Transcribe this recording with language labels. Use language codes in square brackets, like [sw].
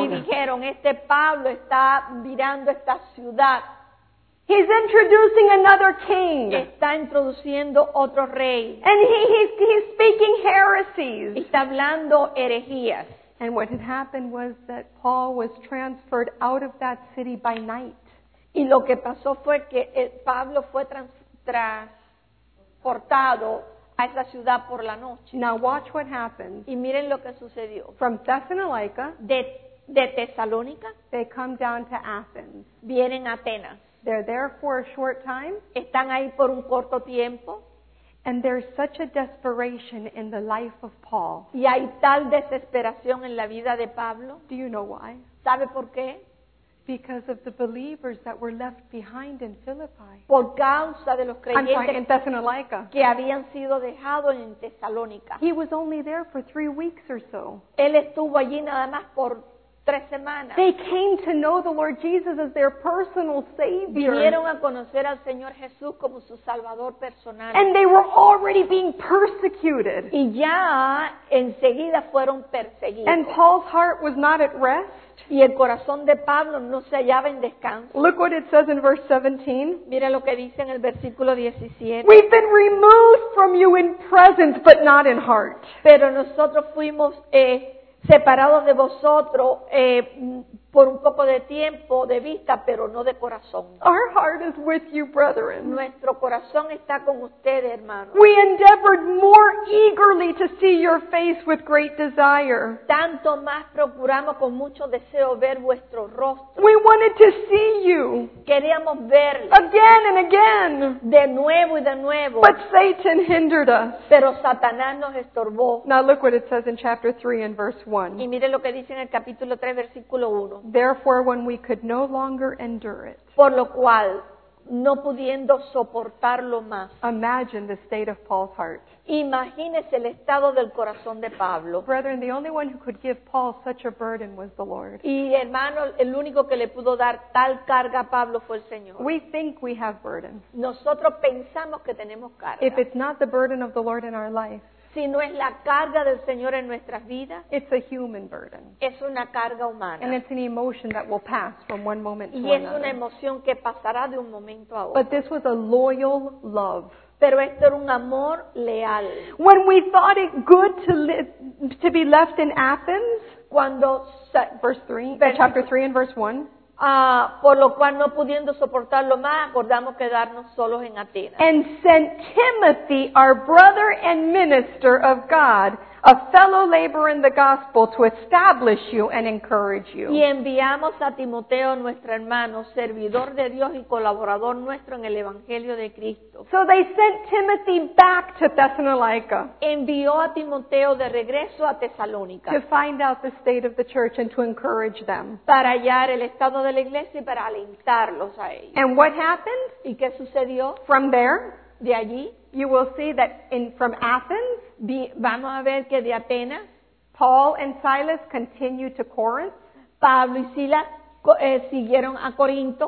[es] Y dijeron, "Este Pablo está virando esta ciudad." [en] He's introducing another king. [es] Está introduciendo otro rey. [en] And he's speaking heresies. [es] Está hablando herejías. [en] And what had happened was that Paul was transferred out of that city by night. [es] Y lo que pasó fue que Pablo fue transportado a esa ciudad por la noche. [en] Now watch what happens. [es] Y miren lo que sucedió. [en] From Thessalonica, [es] de Tesalónica, [en] they come down to Athens. [es] Vienen a Atenas. [en] They're there for a short time. [es] Están ahí por un corto tiempo. [en] And there's such a desperation in the life of Paul. [es] Y hay tal desesperación en la vida de Pablo. [en] Do you know why? [es] ¿Sabe por qué? [en] Because of the believers that were left behind in Philippi. [es] Por causa de los creyentes, [en] I'm sorry, in Thessalonica, [es] que habían sido dejados en Tesalónica. [en] He was only there for 3 weeks or so. [es] Él estuvo allí nada más por 3 semanas. [en] They came to know the Lord Jesus as their personal Savior. [es] Vinieron a conocer al Señor Jesús como su Salvador personal. [en] And they were already being persecuted. [es] Y ya enseguida fueron perseguidos. [en] And Paul's heart was not at rest. [es] Y el corazón de Pablo no se hallaba en descanso. [en] Look what it says in verse 17. [es] Mira lo que dice en el versículo 17. [en] We've been removed from you in presence, but not in heart. [es] Pero nosotros fuimos separados de vosotros por un poco de tiempo de vista, pero no de corazón. [en] Our heart is with you, brethren. [es] Nuestro corazón está con ustedes, hermanos. [en] We endeavored more eagerly to see your face with great desire. [es] Tanto más procuramos con mucho deseo ver vuestro rostro. [en] We wanted to see you. [es] Queríamos verlo. [en] Again and again. [es] De nuevo y de nuevo. [en] But Satan hindered us. [es] Pero Satanás nos estorbó. [en] Now look what it says in chapter 3 and verse 1. [es] Y mire lo que dice en el capítulo 3, versículo 1. [en] Therefore, when we could no longer endure it, [es] por lo cual, no pudiendo soportarlo más. [en] Imagine the state of Paul's heart. [es] Imagínese el estado del corazón de Pablo. [en] Brethren, the only one who could give Paul such a burden was the Lord. [es] Y hermano, el único que le pudo dar tal carga a Pablo fue el Señor. [en] We think we have burdens. [es] Nosotros pensamos que tenemos carga. [en] If it's not the burden of the Lord in our life, [es] si no es la carga del Señor en nuestras vidas, [en] it's a human burden. [es] Es una carga humana. [en] And it's an emotion that will pass from one moment to another. [es] Y es una emoción que pasará de un momento a otro. [en] But this was a loyal love. [es] Pero esto era un amor leal. [en] When we thought it good to be left in Athens, [es] cuando [en] chapter 3 and verse 1, [es] por lo cual no pudiendo soportarlo más, acordamos quedarnos solos en Atenas. [en] And sent Timothy, our brother and minister of God, a fellow laborer in the gospel, to establish you and encourage you. [es] Y enviamos a Timoteo, nuestro hermano, servidor de Dios y colaborador nuestro en el Evangelio de Cristo. [en] So they sent Timothy back to Thessalonica. [es] Envió a Timoteo de regreso a Tesalónica. [en] To find out the state of the church and to encourage them. [es] Para hallar el estado de la iglesia y para alentarlos a ellos. [en] And what happened? [es] ¿Y qué sucedió? [en] From there, [es] de allí, [en] you will see that from Athens, [es] vamos a ver que de Atenas, [en] Paul and Silas continued to Corinth. [es] Pablo y Silas siguieron a Corinto.